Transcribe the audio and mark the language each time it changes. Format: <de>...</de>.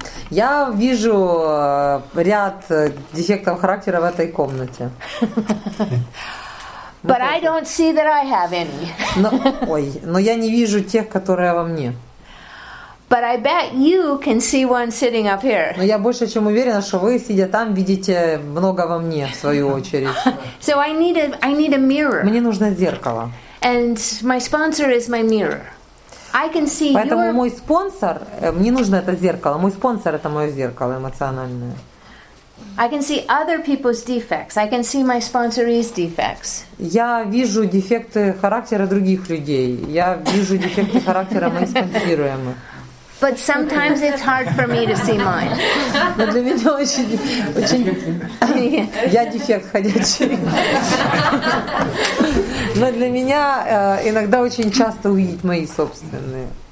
<ru>Я вижу ряд дефектов характера в этой комнате.</ru> <en>But I don't see that I have any.</en> <ru>но я не вижу тех, которые во мне.</ru> <en>But I bet you can see one sitting up here.</en> <ru>Но я больше чем уверена, что вы, сидя там, видите много во мне, в свою очередь.</ru> <en>So I need a mirror.</en> <ru>Мне нужно зеркало.</ru> <en>And my sponsor is my mirror. I can see</en> <ru>Поэтому</ru> <en>your...</en> <ru>мой спонсор, мне нужно это зеркало, мой спонсор это мое зеркало эмоциональное.</ru> <en>I can see other people's defects. I can see my sponsor's defects.</en> <ru>Я вижу дефекты характера других людей. Я вижу дефекты характера моих спонсируемых.</ru> <en>But sometimes it's hard for me to see mine.</en> <ru>Но для меня очень Я дефект ходячий. Но для меня иногда очень часто увидеть мои собственные.</ru>